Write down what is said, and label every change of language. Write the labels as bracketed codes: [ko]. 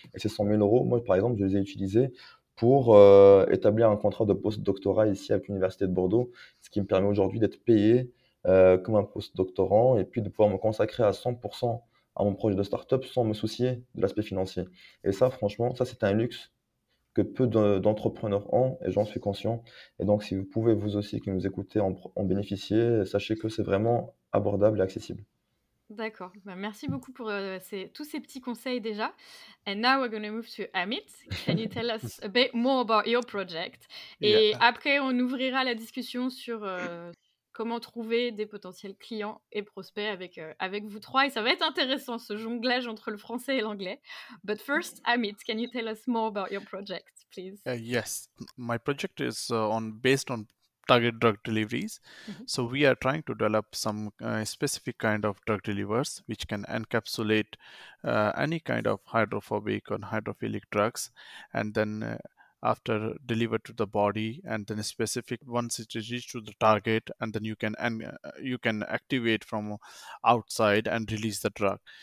[fr] Et ces 100 000 euros, moi, par exemple, je les ai utilisés pour établir un contrat de post-doctorat ici avec l'Université de Bordeaux, ce qui me permet aujourd'hui d'être payé comme un post-doctorant et puis de pouvoir me consacrer à 100% à mon projet de start-up sans me soucier de l'aspect financier. Et ça, franchement, ça, c'est un luxe que peu d'entrepreneurs ont, et j'en suis conscient. Et donc, si vous pouvez, vous aussi, qui nous écoutez, en bénéficier, sachez que c'est vraiment abordable et accessible. D'accord. Merci beaucoup pour tous ces petits conseils déjà. [en] And now we're going to move to Amit. Can you tell us a bit more about your project? [fr] Et yeah. Après, on ouvrira la discussion sur comment trouver des potentiels clients et prospects avec vous trois. Et ça va être intéressant, ce jonglage entre le français et l'anglais. [en] But first, Amit, can you tell us more about your project, please? Yes. My project is based on target drug deliveries. Mm-hmm. So we are trying to develop some specific kind of drug delivers which can encapsulate any kind of hydrophobic or hydrophilic drugs, and then after delivered to the body, and then specific once it is reached to the target, and then you can activate from outside and release the drug.